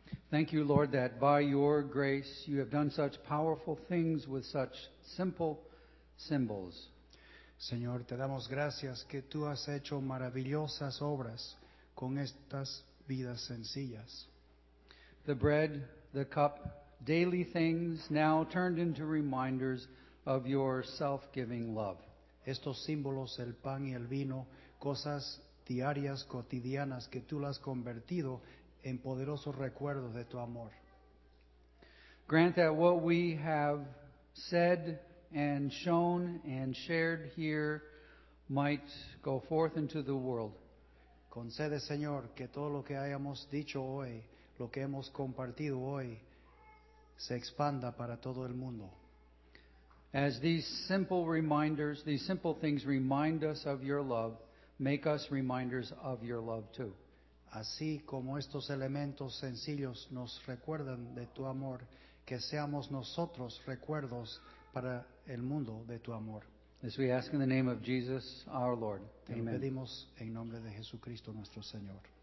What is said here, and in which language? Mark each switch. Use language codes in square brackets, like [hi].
[en] Thank you, Lord, that by your grace you have done such powerful things with such simple symbols. [es] Señor, te damos gracias que tú has hecho maravillosas obras con estas vidas sencillas. [en] The bread, the cup, daily things now turned into reminders of your self-giving love. [es] Estos símbolos, el pan y el vino, cosas diarias, cotidianas que tú las has convertido en poderosos recuerdos de tu amor. [en] Grant that what we have said and shown and shared here might go forth into the world. [es] Concede, Señor, que todo lo que hayamos dicho hoy, lo que hemos compartido hoy, se expanda para todo el mundo. [en] As these simple reminders, these simple things remind us of your love, make us reminders of your love too. [es] Así como estos elementos sencillos nos recuerdan de tu amor, que seamos nosotros recuerdos para el mundo de tu amor. [en] As we ask in the name of Jesus, our Lord. Amen. [es] Te lo pedimos en nombre de Jesucristo nuestro Señor.